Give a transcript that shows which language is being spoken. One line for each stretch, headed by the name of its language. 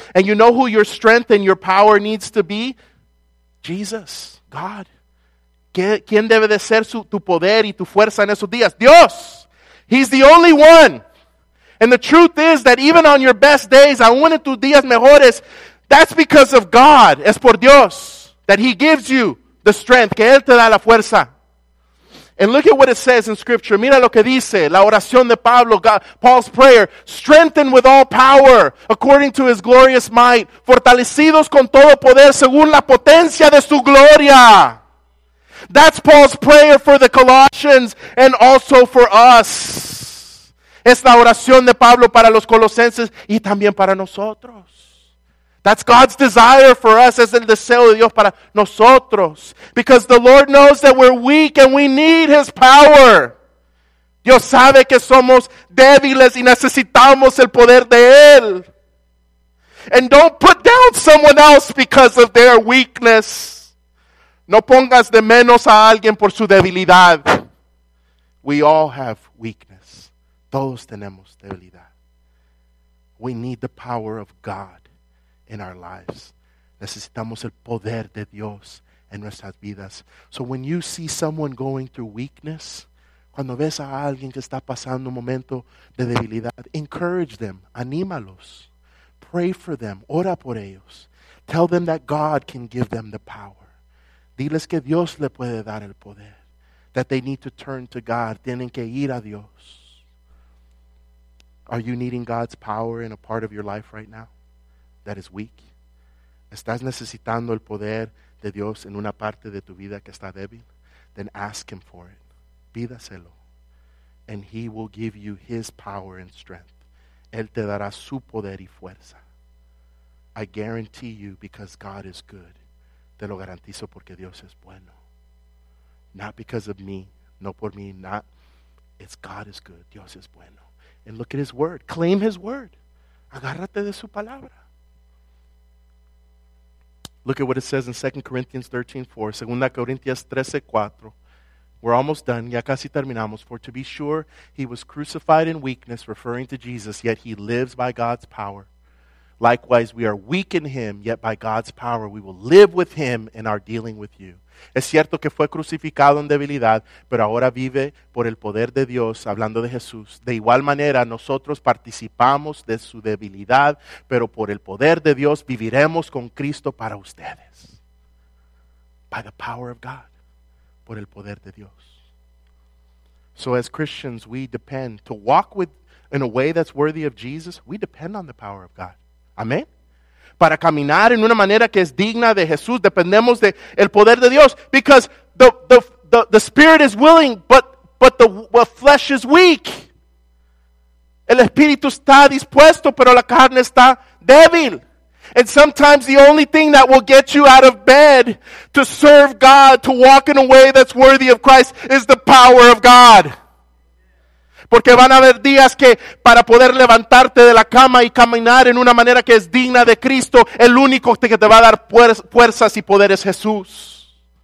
English: And you know who your strength and your power needs to be? Jesus, God.
Spanish: ¿Quién debe de ser tu poder y tu fuerza en esos días?
English: Dios. He's the only one. And the truth is that even on your best days,
Spanish: aún en tus días mejores,
English: that's because of God.
Spanish: Es por Dios
English: that he gives you the strength,
Spanish: que él te da la fuerza.
English: And look at what it says in Scripture.
Spanish: Mira lo que dice, la oración de Pablo,
English: God, Paul's prayer. Strengthened with all power, according to his glorious might.
Spanish: Fortalecidos con todo poder, según la potencia de su gloria.
English: That's Paul's prayer for the Colossians and also for us.
Spanish: Es la oración de Pablo para los colosenses y también para nosotros.
English: That's God's desire for us.
Spanish: Es el deseo de Dios para nosotros.
English: Because the Lord knows that we're weak and we need his power.
Spanish: Dios sabe que somos débiles y necesitamos el poder de Él.
English: And don't put down someone else because of their weakness.
Spanish: No pongas de menos a alguien por su debilidad.
English: We all have weakness.
Spanish: Todos tenemos debilidad.
English: We need the power of God in our lives.
Spanish: Necesitamos el poder de Dios en nuestras vidas.
English: So when you see someone going through weakness,
Spanish: cuando ves a alguien que está pasando un momento de debilidad,
English: encourage them,
Spanish: anímalos.
English: Pray for them,
Spanish: ora por ellos.
English: Tell them that God can give them the power.
Spanish: Diles que Dios le puede dar el poder.
English: That they need to turn to God,
Spanish: tienen que ir a Dios.
English: Are you needing God's power in a part of your life right now that is weak?
Spanish: ¿Estás necesitando el poder de Dios en una parte de tu vida que está débil?
English: Then ask Him for it.
Spanish: Pídaselo.
English: And He will give you His power and strength.
Spanish: Él te dará su poder y fuerza.
English: I guarantee you, because God is good.
Spanish: Te lo garantizo porque Dios es bueno.
English: Not because of me.
Spanish: No por mí.
English: Not. It's God is good.
Spanish: Dios es bueno.
English: And look at His word. Claim His word.
Spanish: Agárrate de su palabra.
English: Look at what it says in 2 Corinthians 13:4. 2 Corinthians 13:4. We're almost done.
Spanish: Ya casi terminamos.
English: For to be sure, He was crucified in weakness, referring to Jesus, yet He lives by God's power. Likewise, we are weak in Him, yet by God's power we will live with Him in our dealing with you.
Spanish: Es cierto que fue crucificado en debilidad, pero ahora vive por el poder de Dios, hablando de Jesús. De igual manera, nosotros participamos de su debilidad, pero por el poder de Dios viviremos con Cristo para ustedes.
English: By the power of God.
Spanish: Por el poder de Dios.
English: So as Christians, we depend to walk with in a way that's worthy of Jesus. We depend on the power of God. Amen.
Spanish: Para caminar en una manera que es digna de Jesús, dependemos de el poder de Dios.
English: Because the spirit is willing, but the flesh is weak.
Spanish: El espíritu está dispuesto, pero la carne está débil.
English: And sometimes the only thing that will get you out of bed to serve God, to walk in a way that's worthy of Christ, is the power of God.
Spanish: Porque van a haber días que para poder levantarte de la cama y caminar en una manera que es digna de Cristo, el único que te va a dar fuerzas y poder es Jesús.